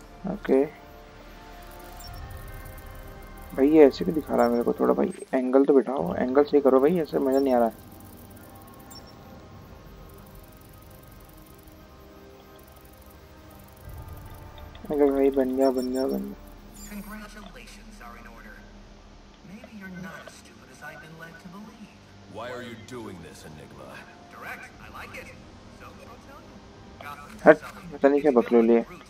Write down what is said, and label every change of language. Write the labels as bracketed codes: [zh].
[hi] Okay भाई, ये ऐसे क्यों दिखा रहा है मेरे को? थोड़ा भाई एंगल तो बिठाओ, एंगल सही करो भाई, ऐसे मजा नहीं आ रहा है. अगर भाई बन गया बन गया बन गया. [en] Congratulations are in order. Maybe you're not as stupid as I've been led to believe. Why are you doing this, Enigma? Direct, I like it. So I'll tell you. [hi] पता नहीं क्या बकलू लिए.